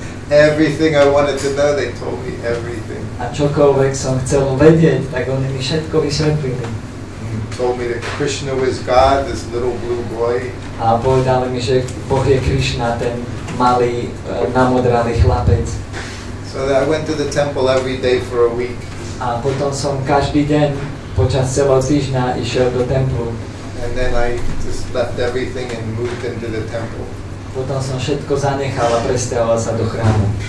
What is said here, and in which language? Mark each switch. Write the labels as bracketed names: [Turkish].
[English] Everything I wanted to know, they told me everything. [Slovak] A čokoľvek som chcel vedieť, tak oni mi všetko vysvetlili. [English] Told me that Krishna was God, this little blue boy. [Slovak] A povedali mi, že Boh je Krishna, ten malý, namodralý chlapec. [English] So I went to the temple every day for a week. [Slovak] A potom som každý deň, počas celého týždňa, išiel do templu. [English] And then I just left everything and moved into the temple. [Slovak] Potom som všetko zanechal a presťahoval sa do chrámu.